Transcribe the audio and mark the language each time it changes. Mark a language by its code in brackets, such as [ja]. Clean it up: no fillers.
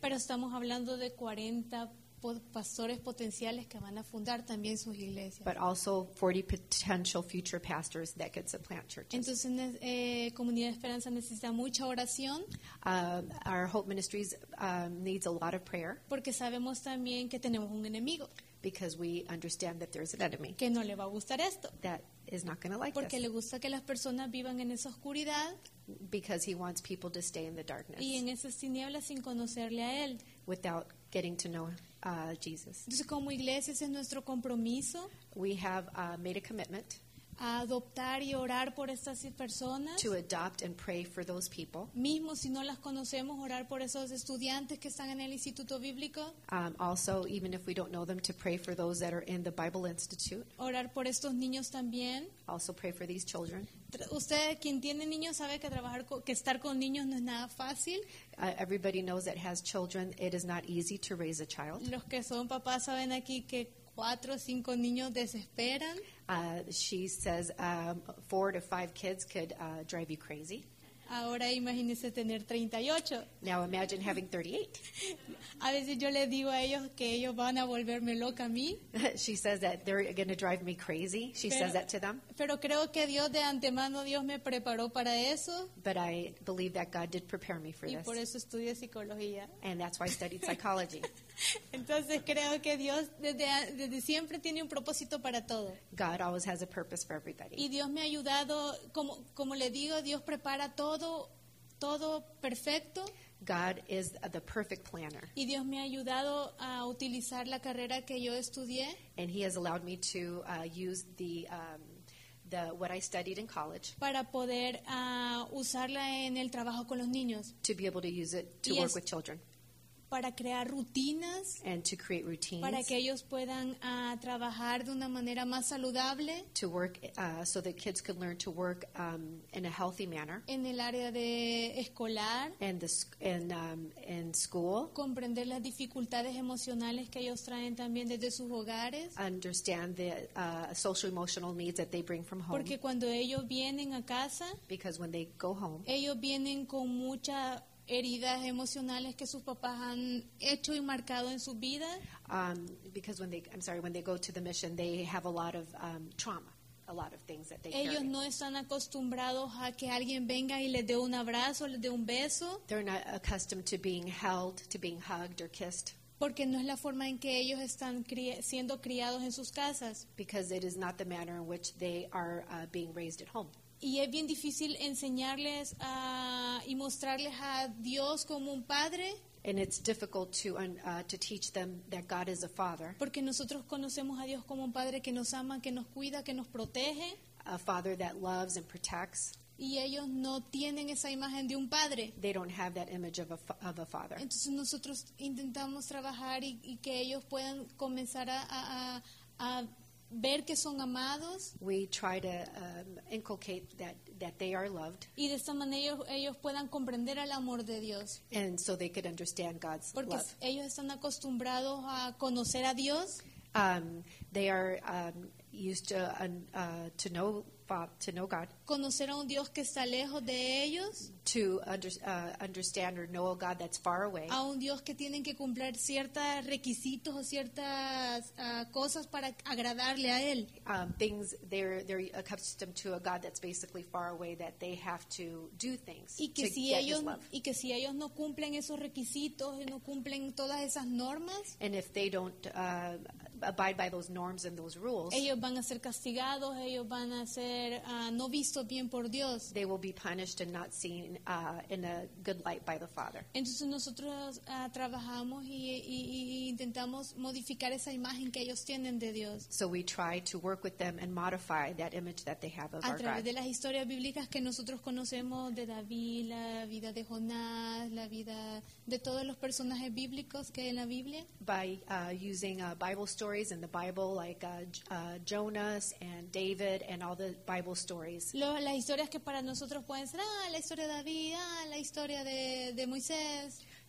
[es] Pero estamos hablando de 40 pastores potenciales que van a fundar también sus iglesias. [en] But also 40 potential future pastors that could supplant churches. [es] Entonces, Comunidad de Esperanza necesita mucha oración. [en] Our Hope Ministries needs a lot of prayer. [es] Porque sabemos también que tenemos un enemigo. [en] Because we understand that there's an enemy. [es] Que no le va a gustar esto. [en] That is not going to like [es] porque [en] this. [es] Le gusta que las personas vivan en esa oscuridad. [en] Because he wants people to stay in the darkness. [es] Y en esas tinieblas sin conocerle a él. [en] Without getting to know Jesus. [es] Entonces, como iglesia, ese es nuestro compromiso. [en] We have made a commitment. [es] A adoptar y orar por estas personas. [en] To adopt and pray for those people. [es] Mismo si no las conocemos, orar por esos estudiantes que están en el Instituto Bíblico. [en] Also, even if we don't know them, to pray for those that are in the Bible Institute. [es] Orar por estos niños también. [en] Also pray for these children. [es] Usted, quien tiene niños, sabe que trabajar que estar con niños no es nada fácil. [en] Everybody knows that has children, it is not easy to raise a child. [es] Los que son papás saben aquí que cuatro o cinco niños desesperan. [en] She says 4 to 5 kids could drive you crazy. [es] Ahora imagínese tener 38. [en] Now imagine having 38. [es] A veces yo les digo a ellos que ellos van a volverme loca a mí. [en] She says that they're going to drive me crazy. She says that to them. [es] Pero creo que Dios de antemano Dios me preparó para eso. [en] But I believe that God did prepare me for this. [es] Y por eso estudié psicología. [en] And that's why I studied psychology. [es] Entonces creo que Dios desde siempre tiene un propósito para todo. [en] God always has a purpose for everybody. [es] Y Dios me ha ayudado, como le digo, Dios prepara todo perfecto. [en] God is the perfect planner. [es] Y Dios me ha ayudado a utilizar la carrera que yo estudié. [en] And he has allowed me to use the what I studied in college. [es] Para poder usarla en el trabajo con los niños. [en] To be able to use it to work with children. [es] Para crear rutinas, [en] and to create routines, [es] para que ellos puedan trabajar de una manera más saludable, [en] to work so that kids could learn to work in a healthy manner, [es] en el área de escolar, [en] and in school, [es] comprender las dificultades emocionales que ellos traen también desde sus hogares, [en] understand the social emotional needs that they bring from home, [es] porque cuando ellos vienen a casa, [en] because when they go home, [es] ellos vienen con mucha heridas emocionales que sus papás han hecho y marcado en sus vidas. [en] Because when they go to the mission, they have a lot of trauma, a lot of things that they carry. [es] Ellos no están acostumbrados a que alguien venga y les dé un abrazo, les dé un beso. [en] They're not accustomed to being held, to being hugged or kissed. [es] Porque no es la forma en que ellos están siendo criados en sus casas. [en] Because it is not the manner in which they are being raised at home. [es] Y es bien difícil enseñarles y mostrarles a Dios como un padre. [en] And it's difficult to teach them that God is a father. [es] Porque nosotros conocemos a Dios como un padre que nos ama, que nos cuida, que nos protege. [en] A father that loves and protects. [es] Y ellos no tienen esa imagen de un padre. [en] They don't have that image of a father. [es] Entonces nosotros intentamos trabajar y que ellos puedan comenzar a ver que son amados. [en] We try to inculcate that they are loved. [es] Y de esta manera ellos puedan comprender el amor de Dios. [en] And so they could understand God's [es] Porque [en] love. [es] Porque ellos están acostumbrados a conocer a Dios. [en] They are used to know God. [es] Conocer a un Dios que está lejos de ellos. [en] To understand or know a God that's far away. [es] A un Dios que tienen que cumplir ciertos requisitos o ciertas cosas para agradarle a él. [en] Things they're accustomed to a God that's basically far away that they have to do things [es] y que [en] to [es] si [en] get [es] ellos, [en] his love. [es] Y que si ellos no cumplen esos requisitos y no cumplen todas esas normas. [en] And if they don't abide by those norms and those rules. [es] Ellos van a ser castigados. Ellos van a ser no vistos bien por Dios. [en] They will be punished and not seen in a good light by the Father. [es] Entonces nosotros trabajamos y intentamos modificar esa imagen que ellos tienen de Dios. [en] So we try to work with them and modify that image that they have of our God. [es] A través de las historias bíblicas que nosotros conocemos de David, la vida de Jonás, la vida de todos los personajes bíblicos que hay en la Biblia. [en] By using Bible stories in the Bible like Jonas and David and all the Bible stories. [es] Las historias que para nosotros pueden ser la historia de David, la historia de Moisés.